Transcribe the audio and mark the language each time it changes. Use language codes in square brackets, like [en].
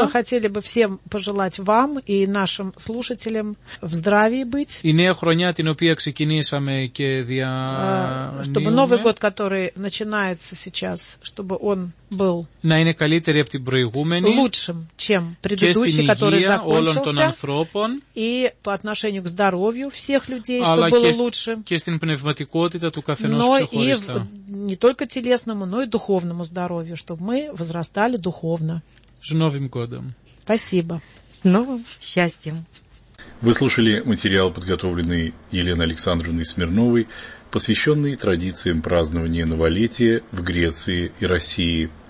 [ru] Мы хотели бы всем пожелать вам и нашим слушателям в здравии быть. [el] И новая хроня, την οποία ξεκινήσαμε και δια. [ru] Чтобы Новый год, который начинается сейчас, чтобы он был. [el] На είναι καλύτερη από την προηγούμενη. [ru] Лучшим, чем предыдущий, который закончился. И по отношению к здоровью всех людей, чтобы было лучше. [el] Και στην πνευματικότητα του καθενός ξεχωριστά. [ru] Не только телесному, но и духовному здоровью, чтобы мы возрастали духовно. С Новым годом! Спасибо! С новым счастьем! Вы слушали материал, подготовленный Еленой Александровной Смирновой, посвященный традициям празднования новолетия в Греции и России.